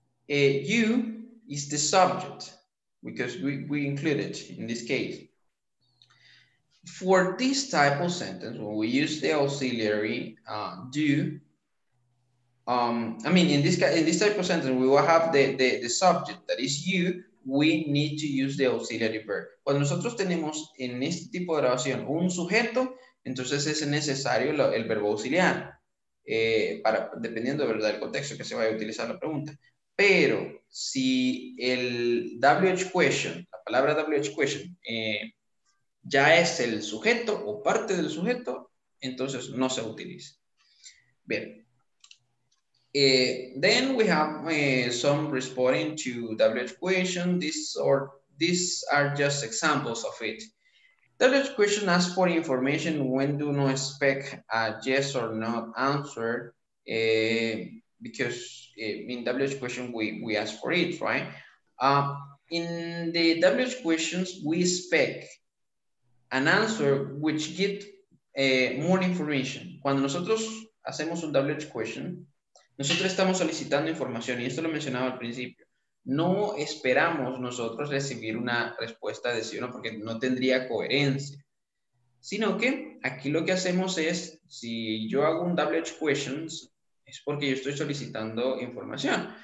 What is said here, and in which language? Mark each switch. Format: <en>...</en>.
<en>You is the subject because we include it in this case. For this type of sentence, when we use the auxiliary do, in this type of sentence, we will have the subject that is you. We need to use the auxiliary verb.</en> <es>Cuando nosotros tenemos en este tipo de oración un sujeto, entonces es necesario el verbo auxiliar. Dependiendo del contexto que se vaya a utilizar la pregunta. Pero si el WH question, la palabra WH question, ya es el sujeto o parte del sujeto, entonces no se utiliza. Bien.</es> <en>Then we have some responding to WH question. These are just examples of it. The question asks for information when do not expect a yes or no answer because in WH question we ask for it, right? In the WH questions, we expect an answer which gives more information.</en> <es>Cuando nosotros hacemos un WH question, nosotros estamos solicitando información y esto lo mencionaba al principio. No esperamos nosotros recibir una respuesta de sí o no, porque no tendría coherencia. Sino que aquí lo que hacemos es, si yo hago un WH questions, es porque yo estoy solicitando información.</es>